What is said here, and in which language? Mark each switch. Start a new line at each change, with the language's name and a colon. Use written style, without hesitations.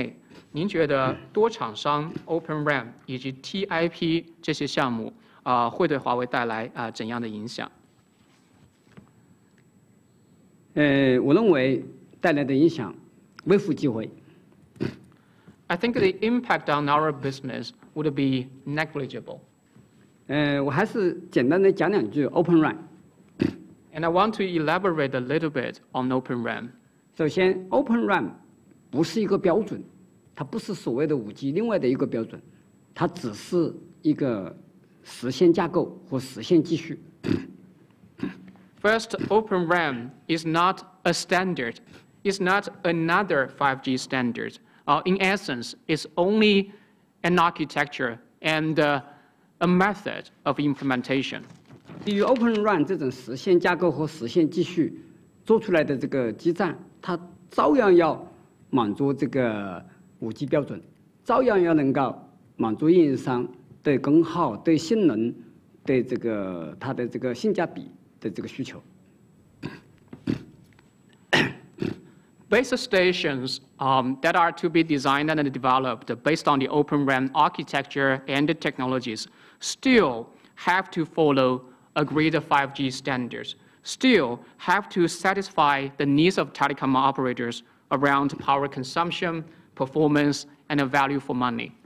Chinese: 那这个问题由我来念出来，在未来的五年的时间内，您觉得多厂商 Open RAN 以及 TIP 这些项目会对华为带来怎样的影响？我认为带来的影响微乎其微。
English: I think the impact on our business would be negligible.
Chinese: 我还是简单的讲两句 Open RAN.
English: And I want to elaborate a little bit on Open RAN.
Chinese: 首先 Open RAN 不是一个标准，它不是所谓的5G另外的一个标准，它只是一个实现架构或实现技术。
English: First, Open RAN is not a standard. It's not another 5G standard. In essence, it's only an architecture and a method of implementation.
Chinese: 与 Open RAN 这种实现架构和实现技术做出来的这个基站，它照样要满足这个5G标准，照样要能够满足运营商对功耗、对性能、对这个它的这个性价比的这个需求。
English: Base stations that are to be designed and developed based on the Open RAN architecture and the technologies still have to follow agreed 5G standards, still have to satisfy the needs of telecom operators around power consumption, performance, and value for money.